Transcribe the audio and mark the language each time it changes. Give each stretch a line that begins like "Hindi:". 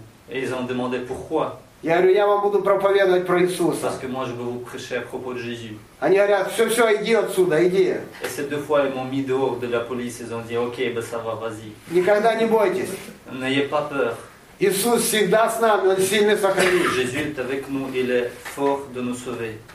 Russian: Я говорю, я вам буду проповедовать про Иисуса.
French: Parce que moi, je vais vous prêcher à propos de Jésus.
Russian: Они говорят, все, иди отсюда, иди.
French: Et ces deux fois, ils m'ont mis dehors de la police. Ils ont dit, okay, ben ça va, vas-y.
Russian: Никогда не бойтесь.
French: N'ayez pas peur.
Russian: Иисус всегда с нами, он сильный сохранит.
French: Jésus est avec nous, il est fort de nous sauver.